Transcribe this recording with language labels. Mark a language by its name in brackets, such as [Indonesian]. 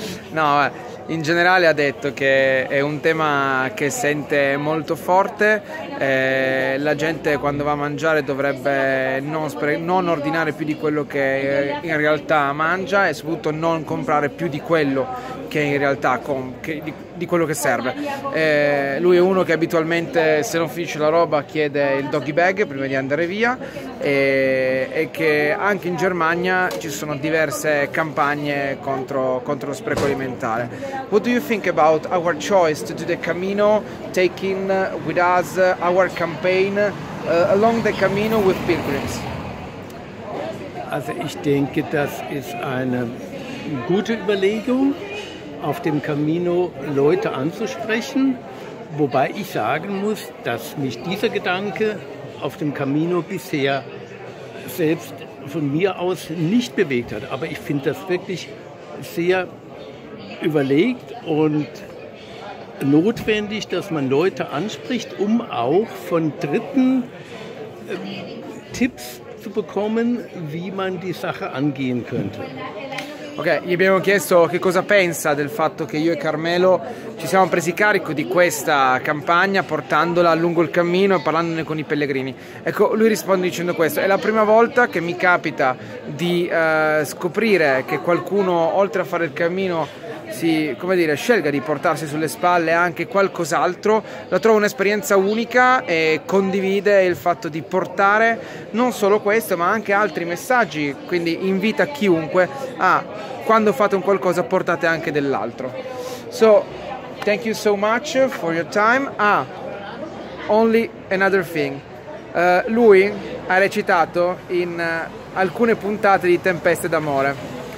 [Italian] No, in generale ha detto che è un tema che sente molto forte, la gente quando va a mangiare dovrebbe non ordinare più di quello che in realtà mangia e soprattutto non comprare più di quello che in realtà di quello che serve. Lui è uno che abitualmente, se non finisce la roba, chiede il doggy bag prima di andare via, e che anche in Germania ci sono diverse campagne contro lo spreco alimentare. [English] What do you think about our choice to do the Camino, taking with us our campaign along the Camino with pilgrims? [German] Also ich denke, das ist eine gute Überlegung, auf dem Camino Leute anzusprechen, wobei ich sagen muss, dass mich dieser Gedanke auf dem Camino bisher selbst von mir aus nicht bewegt hat. Aber ich finde das wirklich sehr überlegt und notwendig, dass man Leute anspricht, um auch von Dritten Tipps zu bekommen, wie man die Sache angehen könnte. [Italian] Ok, gli abbiamo chiesto che cosa pensa del fatto che io e Carmelo ci siamo presi carico di questa campagna portandola lungo il cammino e parlandone con i pellegrini. Ecco, lui risponde dicendo questo: è la prima volta che mi capita di scoprire che qualcuno, oltre a fare il cammino, scelga di portarsi sulle spalle anche qualcos'altro. La trovo un'esperienza unica e condivide il fatto di portare non solo questo ma anche altri messaggi, quindi invita chiunque a, quando fate un qualcosa, portate anche dell'altro. [English] So thank you so much for your time. Only another thing, [Italian] lui ha recitato in alcune puntate di Tempeste d'Amore.